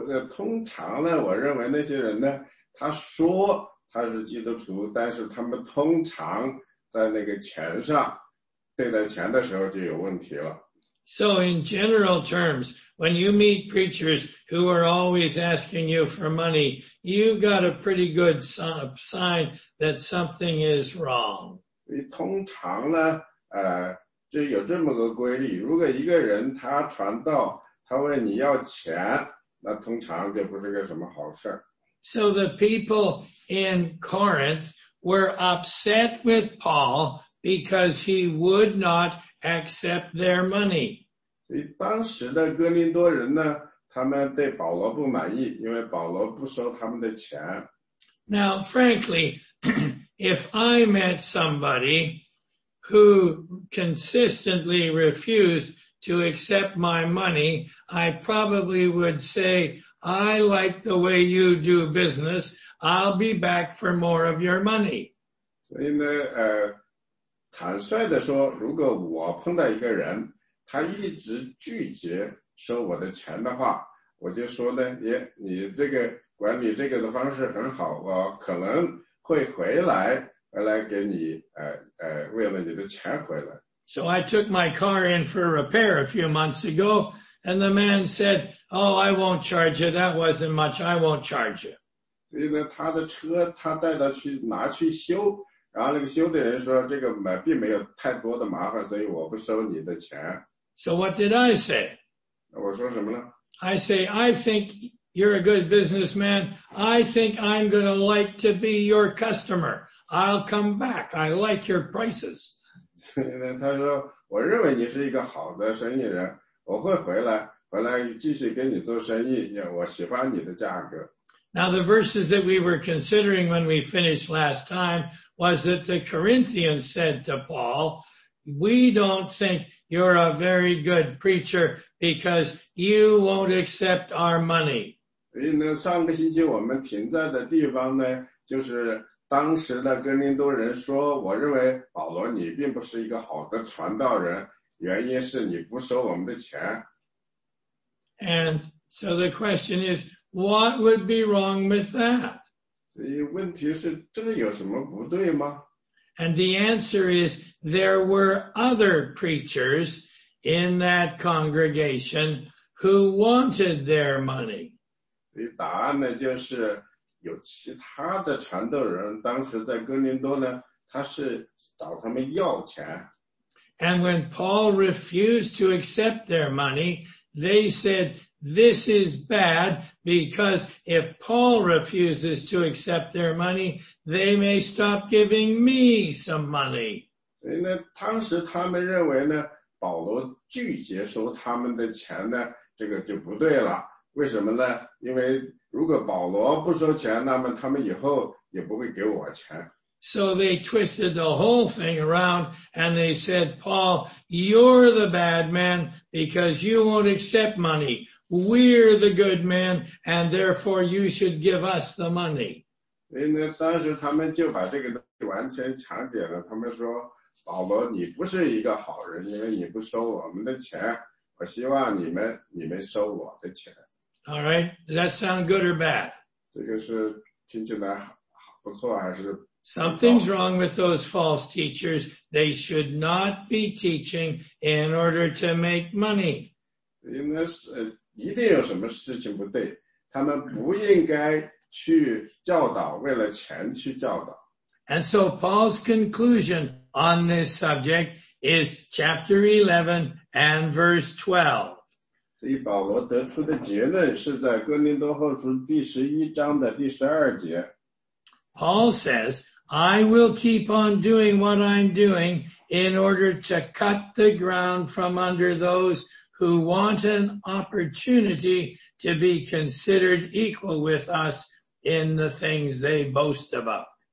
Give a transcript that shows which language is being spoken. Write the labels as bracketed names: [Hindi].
[Chinese] 通常呢，我认为那些人呢，他说他是基督徒，但是他们通常在那个钱上，对待钱的时候就有问题了。 [English] So in general terms, when you meet preachers who are always asking you for money, you've got a pretty good sign that something is wrong. [Chinese] 通常呢，就有这么个规律，如果一个人他传道，他问你要钱，那通常就不是个什么好事。 [English] So the people in Corinth were upset with Paul because he would not accept their money. [Chinese] 当时的哥林多人呢，他们对保罗不满意，因为保罗不收他们的钱。 [English] Now, frankly, if I met somebody who consistently refused to accept my money, I probably would say, I like the way you do business. I'll be back for more of your money. [Chinese] 所以呢，坦率地说，如果我碰到一个人，他一直拒绝收我的钱的话，我就说呢，你这个管理这个的方式很好，我可能会回来给你，为了你的钱回来。 [English] So I took my car in for repair a few months ago, and the man said, oh, I won't charge you, that wasn't much, I won't charge you. [Chinese] 所以呢，他的车他带他去拿去修，然后那个修的人说，这个并没有太多的麻烦，所以我不收你的钱。 [English] So what did I say? [Chinese] 我说什么呢？ [English] I say, I think you're a good businessman, I think I'm going to like to be your customer. I'll come back. I like your prices. [Chinese] 他说，我认为你是一个好的生意人，我会回来继续跟你做生意，我喜欢你的价格。 [English] Now the verses that we were considering when we finished last time was that the Corinthians said to Paul, we don't think you're a very good preacher because you won't accept our money. [Chinese] 所以呢，上个星期我们停在的地方呢，就是当时的哥林多人说，我认为保罗你并不是一个好的传道人，原因是你不收我们的钱。 [English] And so the question is, what would be wrong with that? [Chinese] 所以问题是，这个有什么不对吗？ [English] And the answer is, there were other preachers in that congregation who wanted their money. [Chinese] 所以答案呢就是有其他的传道人，当时在哥林多呢，他是找他们要钱。 [English] And when Paul refused to accept their money, they said, this is bad, because if Paul refuses to accept their money, they may stop giving me some money. [Chinese] 所以呢，当时他们认为呢，保罗拒绝收他们的钱呢，这个就不对了。为什么呢？因为如果保罗不收钱，那么他们以后也不会给我钱。 [English] So they twisted the whole thing around and they said, Paul, you're the bad man because you won't accept money. We're the good man and therefore you should give us the money. [Chinese] 所以呢，当时他们就把这个东西完全强解了。他们说，保罗你不是一个好人，因为你不收我们的钱。我希望你们收我的钱。 [English] All right, does that sound good or bad? [Chinese] 这个是听起来不错还是不错？ [English] Something's wrong with those false teachers. They should not be teaching in order to make money. [Chinese] 因为一定有什么事情不对，他们不应该去教导，为了钱去教导。 [English] And so Paul's conclusion on this subject is chapter 11 and verse 12. [Chinese] 所以保罗得出的结论是在哥林多后书第十一章的第十二节。 [English] Paul says, I will keep on doing what I'm doing in order to cut the ground from under those who want an opportunity to be considered equal with us in the things they boast about.